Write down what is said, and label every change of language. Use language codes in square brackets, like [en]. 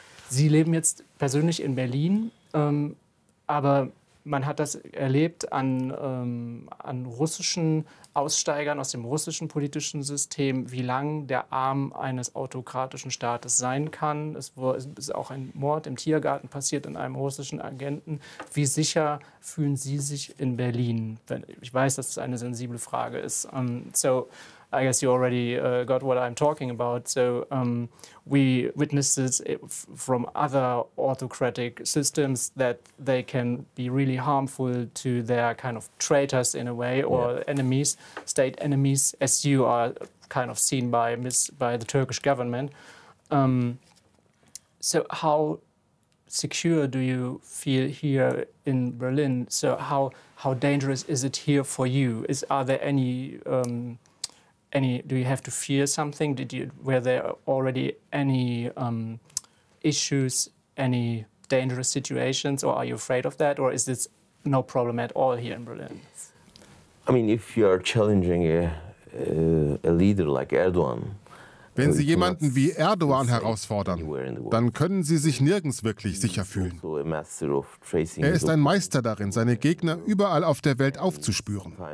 [de] Sie leben jetzt persönlich in Berlin, aber man hat das erlebt an russischen Aussteigern aus dem russischen politischen System, wie lang der Arm eines autokratischen Staates sein kann. Es ist auch ein Mord im Tiergarten passiert an einem russischen Agenten. Wie sicher fühlen Sie sich in Berlin? Ich weiß, dass es eine sensible Frage ist. [en] So, I guess you already got what I'm talking about. So, we witnessed this from other autocratic systems that they can be really harmful to their kind of traitors in a way, or enemies, state enemies, as you are kind of seen by the Turkish government. So, how secure do you feel here in Berlin? So, how dangerous is it here for you? Are there any do you have to fear something? Were there already any issues, any dangerous situations, or are you afraid of that, or is this no problem at all here in Berlin? I mean, if you are challenging a leader like Erdogan. [de] Wenn Sie jemanden wie Erdogan herausfordern, dann können Sie sich nirgends wirklich sicher fühlen. Er ist ein Meister darin, seine Gegner überall auf der Welt aufzuspüren.